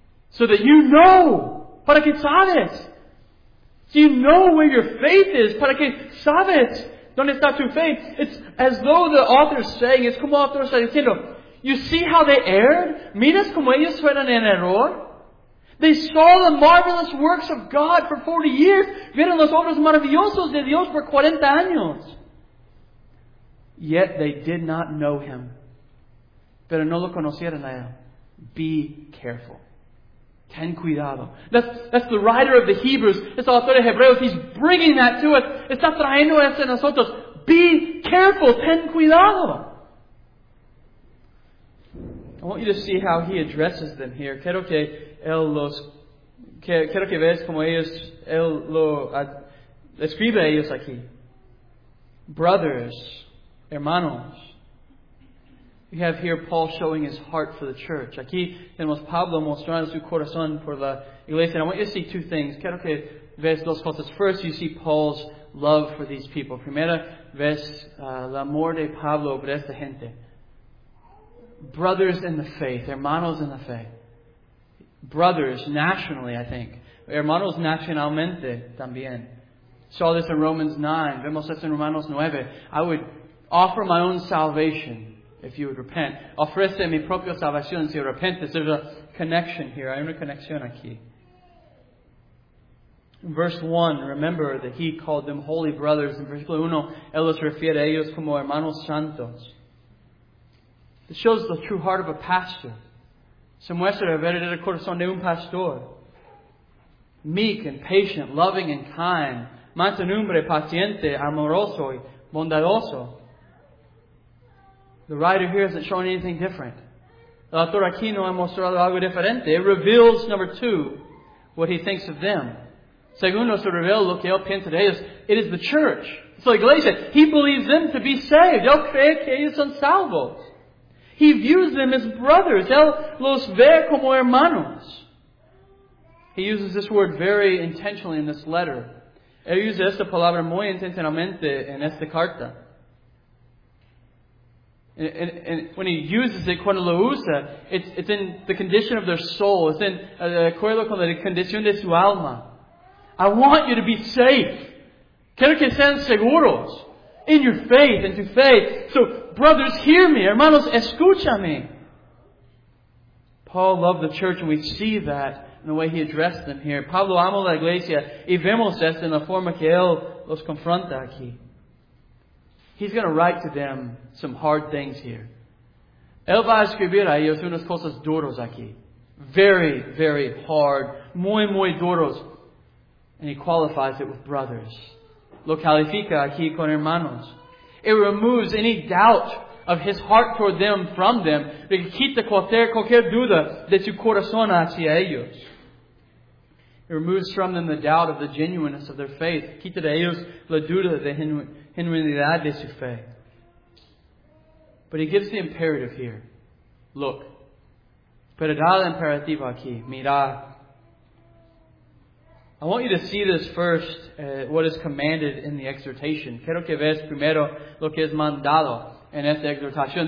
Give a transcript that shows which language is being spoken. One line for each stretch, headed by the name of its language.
English: So that you know.
Spanish: Para que sabes.
English: So you know where your faith is.
Spanish: Para que sabes.
English: Don't it's not too faith. It's as though the author is saying, it's
Spanish: como autor está diciendo,
English: you see how they erred?
Spanish: Miras como ellos fueron en error?
English: They saw the marvelous works of God for 40 years.
Spanish: Vieron los obras maravillosos de Dios por 40 años.
English: Yet they did not know Him.
Spanish: Pero no lo conocieron a Él.
English: Be careful.
Spanish: Ten cuidado.
English: That's the writer of the Hebrews. It's the author of Hebrews. He's bringing that to us.
Spanish: Está trayendo eso a nosotros.
English: Be careful.
Spanish: Ten cuidado.
English: I want you to see how he addresses them here.
Spanish: Quiero que veas como escribe a ellos aquí.
English: Brothers, hermanos. We have here Paul showing his heart for the church.
Spanish: Aquí tenemos Pablo mostrando su corazón por la iglesia.
English: I want you to see two things.
Spanish: Quiero que veas dos cosas.
English: First, you see Paul's love for these people.
Spanish: Primera, ves el amor de Pablo por esta gente.
English: Brothers in the faith. Hermanos in the faith. Brothers, nationally, I think.
Spanish: Hermanos nacionalmente, también.
English: Saw this in Romans 9.
Spanish: Vemos esto en Romanos 9.
English: I would offer my own salvation if you would repent.
Spanish: Ofrece mi propia salvación si repentes.
English: There's a connection here.
Spanish: Hay una conexión aquí.
English: Verse 1, remember that he called them holy brothers.
Spanish: In versículo 1, él los refiere a ellos como hermanos santos.
English: It shows the true heart of a pastor.
Spanish: Se muestra el verdadero corazón de un pastor.
English: Meek and patient, loving and kind.
Spanish: Mansedumbre, paciente, amoroso y bondadoso.
English: The writer here isn't showing anything different.
Spanish: El autor aquí no ha mostrado algo diferente.
English: It reveals, number two, what he thinks of them.
Spanish: Segundo, se revela lo que él piensa de ellos.
English: It is the church. It's the iglesia. He believes them to be saved.
Spanish: Él cree que ellos son salvos.
English: He views them as brothers.
Spanish: Él los ve como hermanos.
English: He uses this word very intentionally in this letter.
Spanish: Él usa esta palabra muy intencionalmente en esta carta.
English: And when he uses it,
Spanish: cuando lo usa,
English: it's in the condition of their soul. It's in
Spanish: acuerdo con la condición de su alma.
English: I want you to be safe.
Spanish: Quiero que sean seguros
English: in your faith, in your faith. So, brothers, hear me.
Spanish: Hermanos, escúchame.
English: Paul loved the church, and we see that in the way he addressed them here.
Spanish: Pablo amó la iglesia, y vemos esto en la forma que él los confronta aquí.
English: He's going to write to them some hard things here.
Spanish: Él va a escribir a ellos unas cosas duras aquí.
English: Very, very hard.
Spanish: Muy, muy duros.
English: And he qualifies it with brothers.
Spanish: Lo califica aquí con hermanos.
English: It removes any doubt of his heart toward them from them.
Spanish: Porque quita cualquier duda de su corazón hacia ellos.
English: It removes from them the doubt of the genuineness of their faith.
Spanish: Quita de ellos la duda de genuinidad de su fe.
English: But he gives the imperative here. Look.
Spanish: Pero da la imperativa aquí. Mira.
English: I want you to see this first, what is commanded in the exhortation.
Spanish: Quiero que veas primero lo que es mandado en esta exhortación.